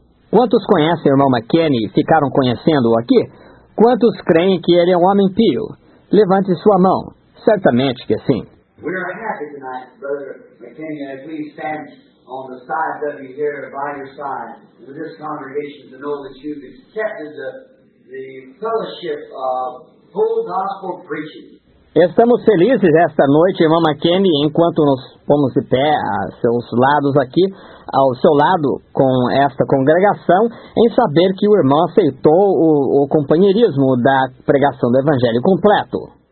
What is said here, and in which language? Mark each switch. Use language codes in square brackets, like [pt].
[pt] Quantos conhecem o irmão McKinney e ficaram conhecendo-o aqui? Quantos creem que ele é um homem pio? Levante sua mão. Certamente que sim. [en] We are happy tonight, Brother McKinney, as we stand on the side of you here by your side with this congregation to know that you've accepted the fellowship of whole gospel preaching. [pt] Estamos felizes esta noite, irmão McKinney, enquanto nos pomos de pé a seus lados aqui, ao seu lado com esta congregação, em saber que o irmão aceitou o companheirismo da pregação do Evangelho completo.